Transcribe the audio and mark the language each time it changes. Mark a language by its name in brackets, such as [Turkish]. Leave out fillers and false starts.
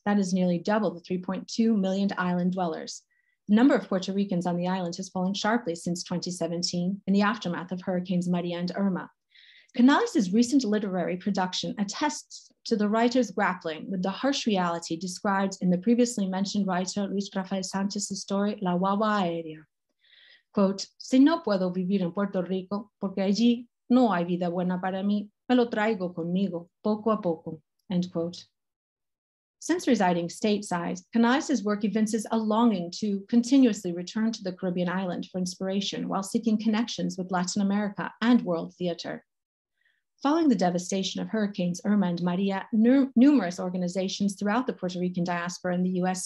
[English] That is nearly double the 3.2 million island dwellers. The number of Puerto Ricans on the island has fallen sharply since 2017 in the aftermath of Hurricanes Maria and Irma. Canales' recent literary production attests to the writer's grappling with the harsh reality described in the previously mentioned writer Luis Rafael Sánchez's story, La Guagua Aérea. Quote, [Spanish] si no puedo vivir en Puerto Rico, porque allí no hay vida buena para mí, me lo traigo conmigo, poco a poco, [English] end quote. Since residing stateside, Canales' work evinces a longing to continuously return to the Caribbean island for inspiration while seeking connections with Latin America and world theater. Following the devastation of Hurricanes Irma and Maria, numerous organizations throughout the Puerto Rican diaspora in the U.S.